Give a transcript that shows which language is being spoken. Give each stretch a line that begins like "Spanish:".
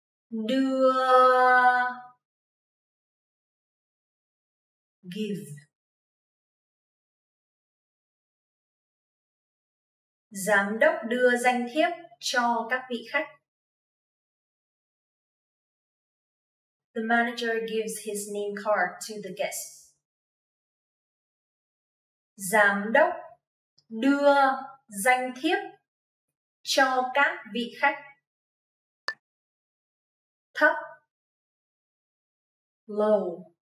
Vietnamese: Đưa.
English: Give.
Vietnamese: Giám đốc đưa danh thiếp cho các vị khách.
English: The manager gives his name card to the guests.
Vietnamese: Giám đốc đưa danh thiếp cho các vị khách. Thấp.
English: Low.